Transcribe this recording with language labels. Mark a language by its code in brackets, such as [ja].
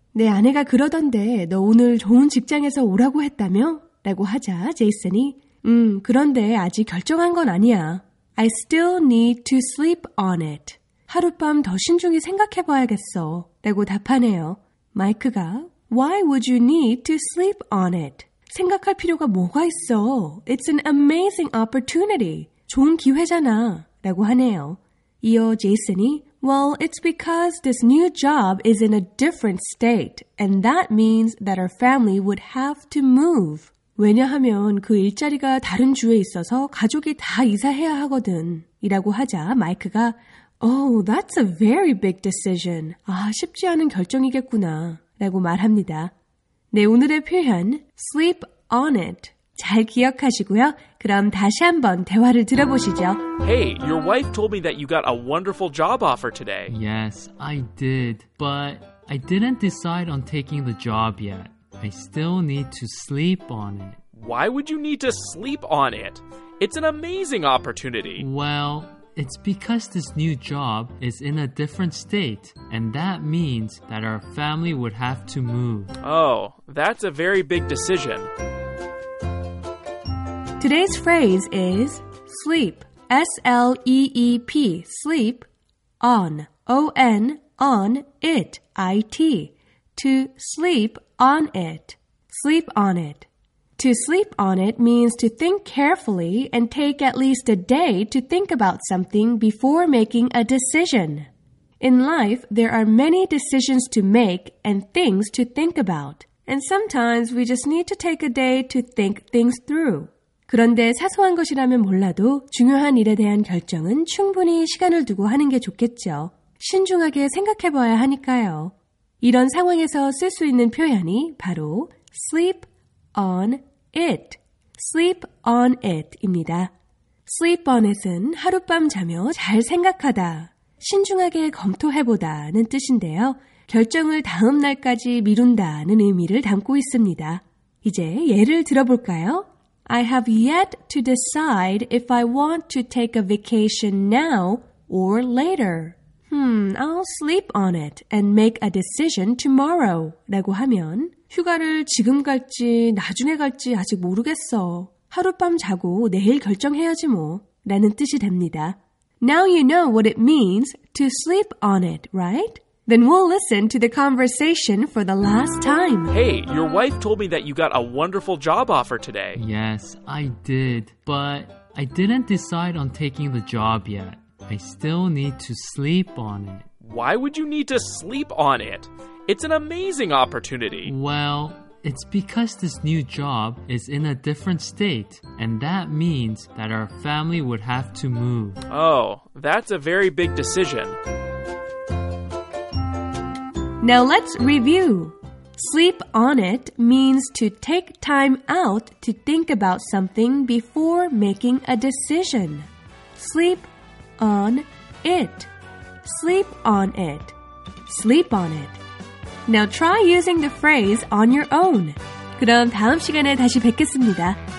[ko] 내 아내가 그러던데 너 오늘 좋은 직장에서 오라고 했다며? 라고 하자 제이슨이, 그런데 아직 결정한 건 아니야. [en] I still need to sleep on it. [ko] 하룻밤 더 신중히 생각해봐야겠어 라고 답하네요. 마이크가 [en] Why would you need to sleep on it? [ko] 생각할 필요가 뭐가 있어? [en] It's an amazing opportunity. [ko] 좋은 기회잖아 라고 하네요. 이어 제이슨이 [en] Well, it's because this new job is in a different state and that means that our family would have to move. [ko] 왜냐하면 그 일자리가 다른 주에 있어서 가족이 다 이사해야 하거든 이라고 하자 마이크가 [en] Oh, that's a very big decision. [ko] 아, 쉽지 않은 결정이겠구나. 라고 말합니다. 네, 오늘의 표현, sleep on it. 잘 기억하시고요. 그럼 다시 한번 대화를 들어보시죠. [en] Hey, your wife told me that you got a wonderful job offer today. Yes, I did. But I didn't decide on taking the job yet. I still need to sleep on it. Why would you need to sleep on it? It's an amazing opportunity. Well, it's because this new job is in a different state, and that means that our family would have to move. Oh, that's a very big decision. Today's phrase is sleep, S-L-E-E-P, sleep, on, O-N, on it, I-T, to sleep on it, sleep on it. To sleep on it means to think carefully and take at least a day to think about something before making a decision. In life, there are many decisions to make and things to think about. And sometimes we just need to take a day to think things through. [ko] 그런데 사소한 것이라면 몰라도 중요한 일에 대한 결정은 충분히 시간을 두고 하는 게 좋겠죠. 신중하게 생각해 봐야 하니까요. 이런 상황에서 쓸 수 있는 표현이 바로 sleep on it, sleep on it입니다. Sleep on it은 하룻밤 자며 잘 생각하다, 신중하게 검토해보다는 뜻인데요. 결정을 다음 날까지 미룬다는 의미를 담고 있습니다. 이제 예를 들어볼까요? [en] I have yet to decide if I want to take a vacation now or later. I'll sleep on it and make a decision tomorrow. [ko] 라고 하면 휴가를 지금 갈지 나중에 갈지 아직 모르겠어. 하룻밤 자고 내일 결정해야지 뭐. 라는 뜻이 됩니다. [en] Now you know what it means to sleep on it, right? Then we'll listen to the conversation for the last time. Hey, your wife told me that you got a wonderful job offer today. Yes, I did. But I didn't decide on taking the job yet. I still need to sleep on it. Why would you need to sleep on it? It's an amazing opportunity. Well, it's because this new job is in a different state, and that means that our family would have to move. Oh, that's a very big decision. Now let's review. Sleep on it means to take time out to think about something before making a decision. Sleep on it. Sleep on it. Sleep on it. Now try using the phrase on your own. [ko] 그럼 다음 시간에 다시 뵙겠습니다.